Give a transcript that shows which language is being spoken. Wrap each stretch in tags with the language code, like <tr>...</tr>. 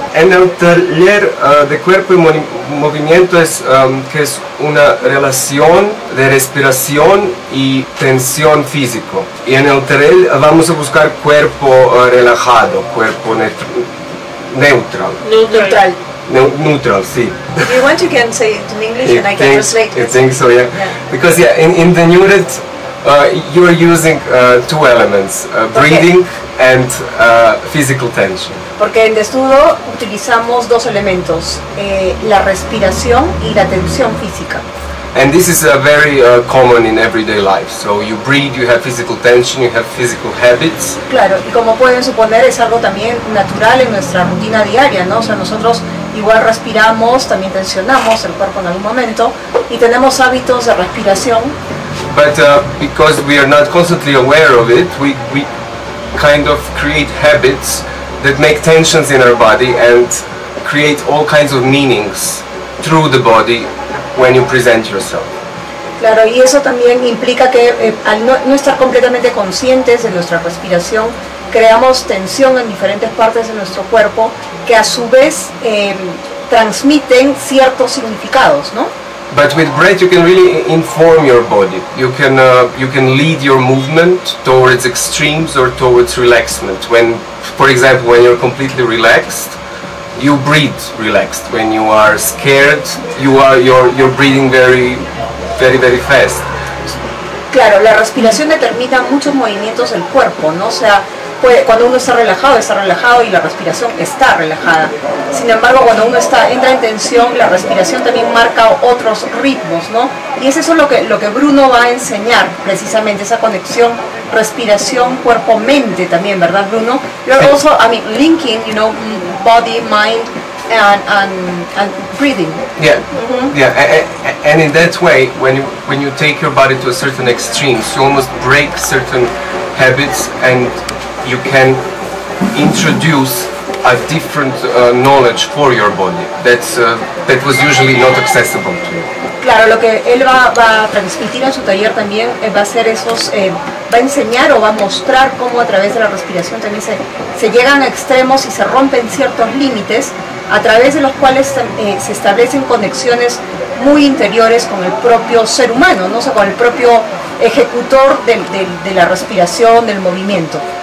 <es>En el taller de Cuerpo y Movimiento es que es una relación de respiración y tensión físico. Y en el taller vamos a buscar cuerpo relajado, cuerpo neutral. Neutral. Neutral, sí.</es> <en>You want, you can say it in English and I can translate it. I think so, yeah. Because yeah, in the Nuret, you're using two elements, breathing and physical tension.</en> <es>Porque en Desnudo utilizamos dos elementos, la respiración y la tensión física.</es> <en>And this is very common in everyday life. So you breathe, you have physical tension, you have physical habits.</en> <es>Claro, y como pueden suponer, es algo también natural en nuestra rutina diaria, ¿no? O sea, nosotros igual respiramos, también tensionamos el cuerpo en algún momento, y tenemos hábitos de respiración.</es> <en>But because we are not constantly aware of it, we kind of create habits that make tensions in our body and create all kinds of meanings through the body when you present yourself.</en> <es>Claro, y eso también implica que al no estar completamente conscientes de nuestra respiración, creamos tensión en diferentes partes de nuestro cuerpo que a su vez transmiten ciertos significados, ¿no?</es> <en>But with breath you can really inform your body. You can lead your movement towards extremes or towards relaxment. When, for example, when you're completely relaxed, you breathe relaxed. When you are scared, you're breathing very, very, very fast.</en> <es>Claro, la respiración determina muchos movimientos del cuerpo, ¿no? O sea, cuando uno está relajado y la respiración está relajada. Sin embargo, cuando uno entra en tensión, la respiración también marca otros ritmos, ¿no? Y es eso lo que Bruno va a enseñar, precisamente, esa conexión respiración-cuerpo-mente también, ¿verdad, Bruno?</es> <en>You're also, I mean, linking, you know, body, mind, and breathing. Yeah, mm-hmm. Yeah. And in that way, when you take your body to a certain extreme, you almost break certain habits and you can introduce a different knowledge for your body that was usually not accessible to you.</en> <es>Claro, lo que él va a transmitir en su taller también va a ser esos, va a enseñar o va a mostrar cómo a través de la respiración también se llegan a extremos y se rompen ciertos límites a través de los cuales se establecen conexiones muy interiores con el propio ser humano, ¿no? O sea, con el propio ejecutor de la respiración, del movimiento.</es>